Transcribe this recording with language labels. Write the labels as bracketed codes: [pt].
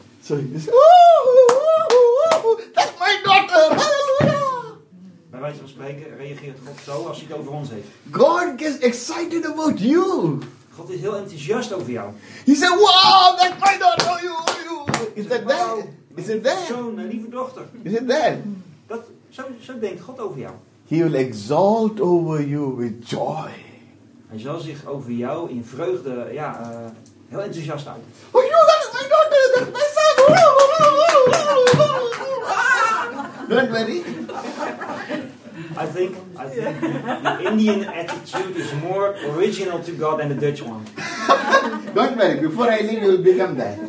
[en] So he says, woo, that's my daughter. [nl] Bij wijze van spreken reageert God zo als hij het over ons heeft. [en] God gets excited about you. [nl] God is heel enthousiast over jou. [en] He said, wow, that's my daughter. Oh, you. Is that that? Is it that? [nl] Zoon, mijn lieve dochter. [en] Is it that? [nl] Dat, zo denkt God over jou. [en] He will exalt over you with joy. [nl] Hij zal zich over jou in vreugde, ja, heel enthousiast uit. [en] Oh, you, that's my daughter. That's my son. Oh, oh, oh, oh, oh, oh, oh, oh. Don't worry. I think the Indian attitude is more original to God than the Dutch one. Don't worry, before I leave, you'll become that.